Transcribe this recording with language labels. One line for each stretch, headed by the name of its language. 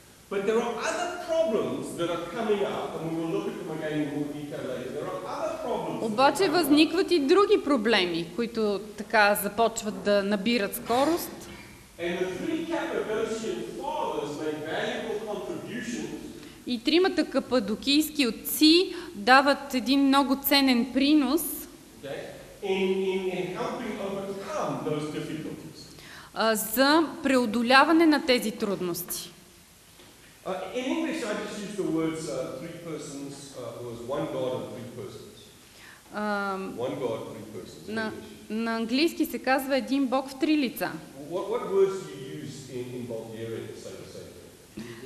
English: But there are other problems that are coming up, and we will look at them again in more detail later. There are other problems.
Bulgarian: Обаче възникват и други проблеми, които така започват да набират скорост.
English: And the three Cappadocian fathers made valuable contributions.
Bulgarian: И тримата кападокийски отци дават един много ценен принос.
English: In helping overcome those difficulties.
Bulgarian: За преодоляване на тези трудности.
English: In English, I just use the words three persons. It was one God and three persons. One God, three persons.
Bulgarian: На английски се казва един Бог в три лица.
English: What words do you use in Bulgarian to say the same thing?